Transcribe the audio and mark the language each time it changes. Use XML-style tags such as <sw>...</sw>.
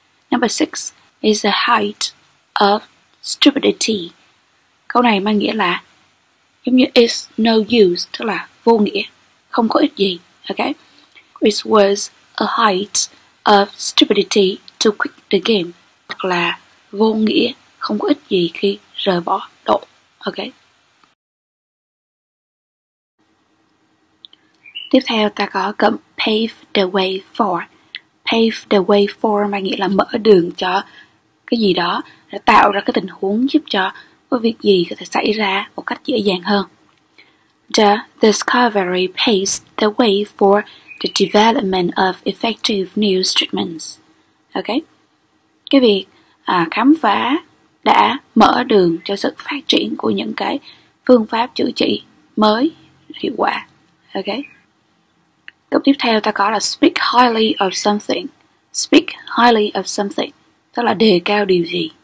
<en>Number 6 is the height of stupidity.</en> <vi>Câu này mang nghĩa là giống như is no use, tức là vô nghĩa, không có ích gì.</vi> <en>Ok. It was a height of stupidity to quit the game.</en> <vi>Hoặc là vô nghĩa, không có ích gì khi rời bỏ đội. Ok. Tiếp theo ta có cụm pave the way for. Pave the way for mang nghĩa là mở đường cho cái gì đó, để tạo ra cái tình huống giúp cho cái việc gì có thể xảy ra một cách dễ dàng hơn.</vi> <en>The discovery paves the way for the development of effective new treatments. Ok.</en> <vi>Cái việc khám phá đã mở đường cho sự phát triển của những cái phương pháp chữa trị mới hiệu quả. Ok. Cụm tiếp theo ta có là speak highly of something. Speak highly of something tức là đề cao điều gì.</vi>